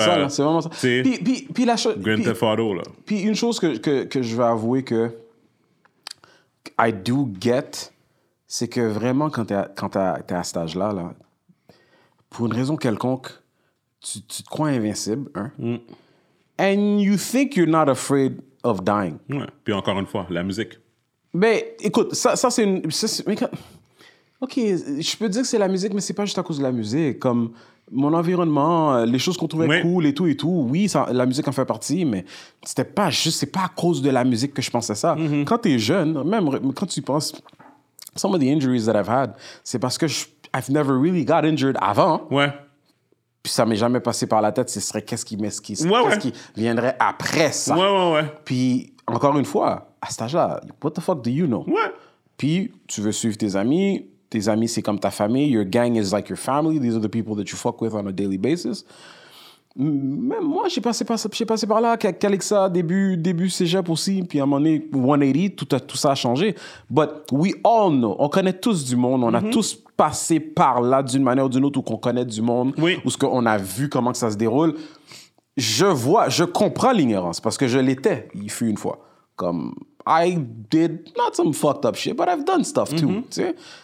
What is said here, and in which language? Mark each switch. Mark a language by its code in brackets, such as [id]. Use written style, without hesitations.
[fr] ça, là, c'est vraiment ça. Puis la chose... Grand Theft Auto, là. Puis une chose que je vais avouer que... [en] I do get, [fr] c'est que vraiment, quand t'es à cet âge-là, là, pour une raison quelconque, tu te crois invincible. Hein? Mm. [en] And you think you're not afraid of dying. [fr] Ouais. Puis encore une fois, la musique. Ben, écoute, ça c'est une... OK, je peux dire que c'est la musique, mais c'est pas juste à cause de la musique. Comme mon environnement, les choses qu'on trouvait cool et tout, oui, ça, la musique en fait partie, mais c'était pas juste, c'est pas à cause de la musique que je pensais ça. Mm-hmm. Quand t'es jeune, même quand tu penses... [en] Some of the injuries that I've had, [fr] c'est parce que [en] I've never really got injured [fr] avant. Ouais. Puis ça m'est jamais passé par la tête, ce serait qu'est-ce qui m'esquisse, ouais, qu'est-ce qui viendrait après ça. Ouais, ouais, ouais. Puis encore une fois, à cet âge-là, [en] what the fuck do you know? [fr] Ouais. Puis tu veux suivre tes amis c'est comme ta famille, [en] your gang is like your family, these are the people that you fuck with on a daily basis. [fr] Même moi, j'ai passé par là, Calixa, début cégep aussi, puis à un moment donné, 180, tout ça a changé. [en] But we all know, [fr] on connaît tous du monde, on a tous passé par là d'une manière ou d'une autre, ou qu'on connaît du monde, ou ce qu'on a vu, comment que ça se déroule. Je vois, je comprends l'ignorance, parce que je l'étais, il fut une fois. Comme, [en] I did not some fucked up shit, but I've done stuff too, [fr] tu sais.